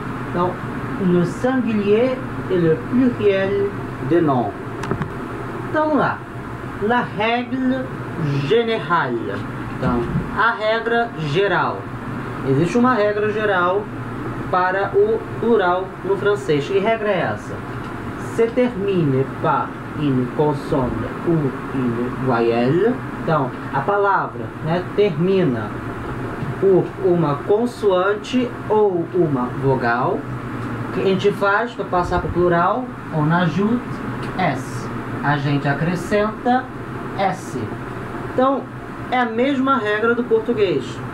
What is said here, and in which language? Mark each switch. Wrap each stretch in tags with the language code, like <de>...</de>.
<fr>Então, le singulier et le pluriel des noms.</fr> <pt>Então, lá,</pt> <fr>la règle générale,</fr> <pt>então, a regra geral. Existe uma regra geral para o plural no francês. Que regra é essa?</pt> <fr>Se termine par une consonne ou une voyelle.</fr> <pt>Então, a palavra, né, termina por uma consoante ou uma vogal. O que a gente faz para passar para o plural?</pt> <fr>On ajoute S.</fr> <pt>A gente acrescenta S. Então, é a mesma regra do português.</pt>